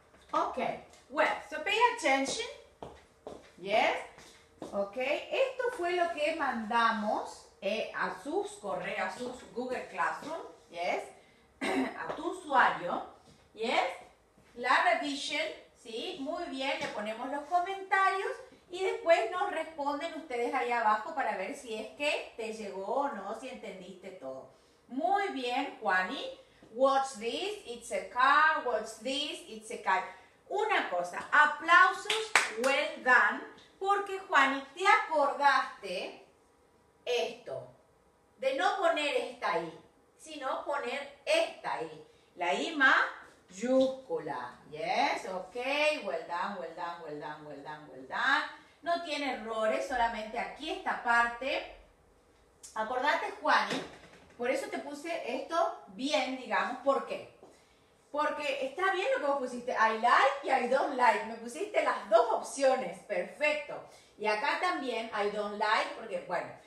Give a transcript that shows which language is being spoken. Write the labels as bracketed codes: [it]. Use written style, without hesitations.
[en] Okay, well, so pay attention. Yes, okay. [es] Esto fue lo que mandamos a sus correos, a sus Google Classroom. Yes, a tu usuario. Yes, la revision. Sí, muy bien. Le ponemos los comentarios y después nos responden ustedes ahí abajo para ver si es que te llegó o no, si entendiste todo. Muy bien, [en] Juani. Watch this, it's a car. Watch this, it's a car. [es] Una cosa, aplausos, [en] well done, [es] porque Juani, te acordaste esto, de no poner esta I, sino poner esta I, la I mayúscula. [en] Yes, ok, well done, well done, well done, well done, well done. [es] No tiene errores, solamente aquí esta parte. Acordate, Juani, por eso te puse esto bien, digamos, ¿por qué? Porque está bien lo que vos pusiste, [en] I like [es] y [en] I don't like. [es] Me pusiste las dos opciones, perfecto. Y acá también, [en] I don't like, [es] porque bueno.